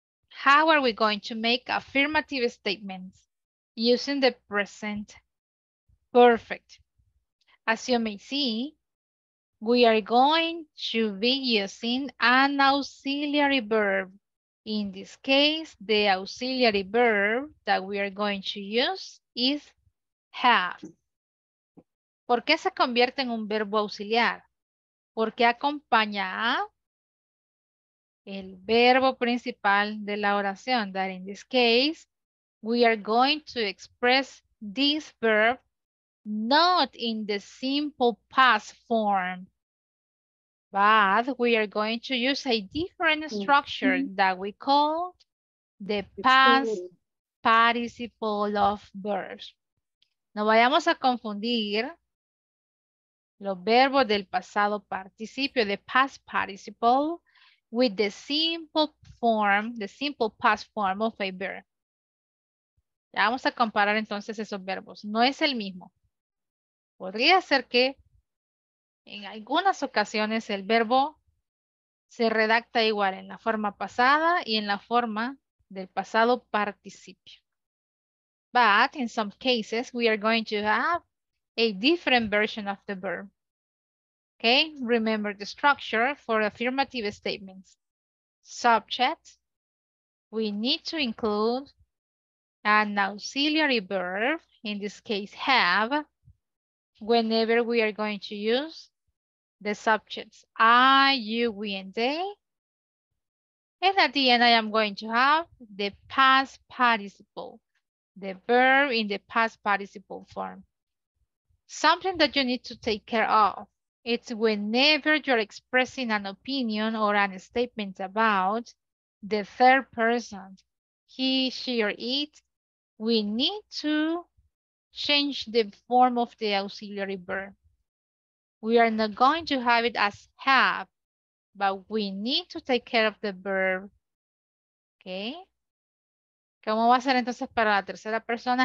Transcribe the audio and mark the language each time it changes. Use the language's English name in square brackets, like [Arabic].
[English] How are we going to make affirmative statements using the present perfect? As you may see, we are going to be using an auxiliary verb. In this case, the auxiliary verb that we are going to use is have. [Spanish] ¿Por qué se convierte en un verbo auxiliar? Porque acompaña a el verbo principal de la oración. [English] That in this case, we are going to express this verb not in the simple past form, but we are going to use a different structure that we call the past participle of verbs. [Spanish] No vayamos a confundir los verbos del pasado participio, [English] the past participle, with the simple form, the simple past form of a verb. [Spanish] Ya vamos a comparar entonces esos verbos. No es el mismo. Podría ser que en algunas ocasiones el verbo se redacta igual en la forma pasada y en la forma del pasado participio. [English] But in some cases, we are going to have a different version of the verb. Okay, remember the structure for affirmative statements. Subject, we need to include an auxiliary verb, in this case have, whenever we are going to use the subjects I, you, we, and they. And at the end, I am going to have the past participle, the verb in the past participle form. Something that you need to take care of, it's whenever you're expressing an opinion or a statement about the third person, he, she, or it, we need to change the form of the auxiliary verb. We are not going to have it as have, but we need to take care of the verb, okay? [Spanish] ¿Cómo va a ser entonces para la tercera persona?